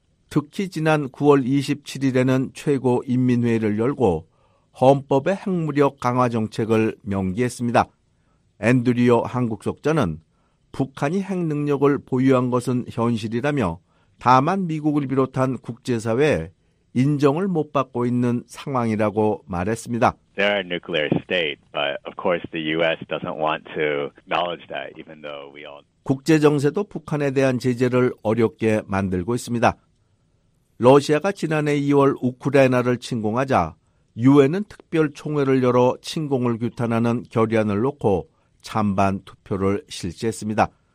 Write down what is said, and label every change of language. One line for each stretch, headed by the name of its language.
Korean: 특히 지난 9월 27일에는 최고인민회의를 열고 헌법의 핵무력 강화 정책을 명기했습니다. 앤드류어 한국 속장은 북한이 핵능력을 보유한 것은 현실이라며 다만 미국을 비롯한 국제사회에 인정을 못 받고 있는 상황이라고 말했습니다.
English: They're a nuclear state, but of course the U.S. doesn't want to acknowledge that, even though we all.
Korean: 국제 정세도 북한에 대한 제재를 어렵게 만들고 있습니다. 러시아가 지난해 2월 우크라이나를 침공하자 유엔은 특별 총회를 열어 침공을 규탄하는 결의안을 놓고 찬반 투표를 실시했습니다.